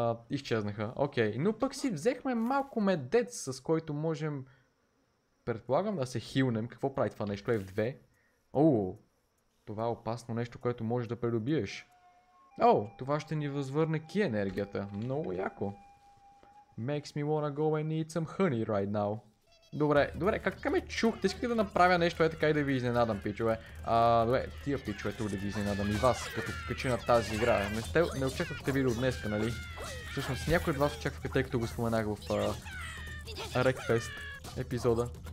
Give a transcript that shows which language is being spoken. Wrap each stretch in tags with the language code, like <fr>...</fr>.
<bg>Изчезнаха, окей. Okay. Но пък си взехме малко медец, с който можем... Предполагам да се хилнем. Какво прави това нещо? Е в две? Оу, това е опасно нещо, което можеш да придобиеш. Оу, това ще ни възвърне ки енергията. Много яко.</bg> <en>Makes me wanna go and eat some honey right now.</en> <bg>Добре, добре, как ме чухте? Искате да направя нещо, е така и да ви изненадам, пичове. Добре, тия пичове, тук да ви изненадам и вас, като качи на тази игра. Не очаквахте видео днеска, нали? Всъщност, някой от вас очаквахте, тъй като го споменах в Рекфест епизода.</bg>